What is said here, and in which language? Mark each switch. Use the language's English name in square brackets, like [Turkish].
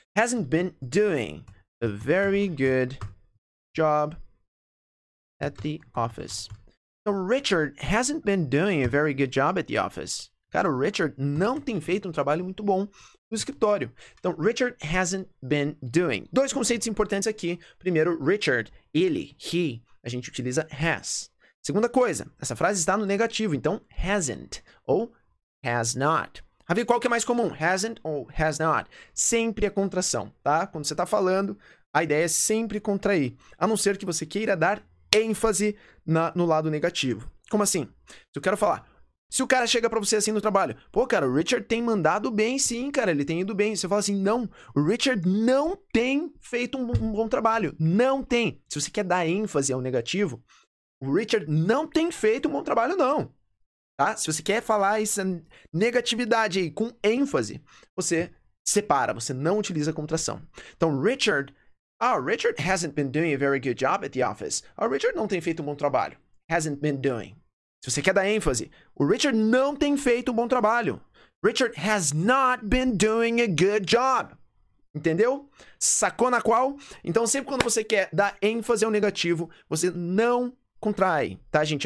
[English] Hasn't been doing a very good job at the office. Então, Richard hasn't been doing a very good job at the office. [Portuguese] Cara, o Richard não tem feito um trabalho muito bom no escritório. Então, [English] Richard hasn't been doing. [Portuguese] Dois conceitos importantes aqui. Primeiro, Richard, ele, he, a gente utiliza has. Segunda coisa, essa frase está no negativo, então hasn't ou has not. Javi, qual que é mais comum? Hasn't ou has not? Sempre a contração, tá? Quando você está falando, a ideia é sempre contrair, a não ser que você queira dar ênfase no lado negativo. Como assim? Se eu quero falar, se o cara chega para você assim no trabalho, pô, cara, o Richard tem mandado bem, sim, cara, ele tem ido bem. Você fala assim, não, o Richard não tem feito um bom trabalho, não tem. Se você quer dar ênfase ao negativo, o Richard não tem feito um bom trabalho, não. Tá? Se você quer falar essa negatividade aí com ênfase, você separa, você não utiliza contração. Então, Richard... [English] Ah, oh, Richard hasn't been doing a very good job at the office. [Portuguese] Ah, oh, Richard não tem feito um bom trabalho. [English] Hasn't been doing. [Portuguese] Se você quer dar ênfase, o Richard não tem feito um bom trabalho. [English] Richard has not been doing a good job. [Portuguese] Entendeu? Sacou na qual? Então, sempre quando você quer dar ênfase ao negativo, você não contrai, tá, gente?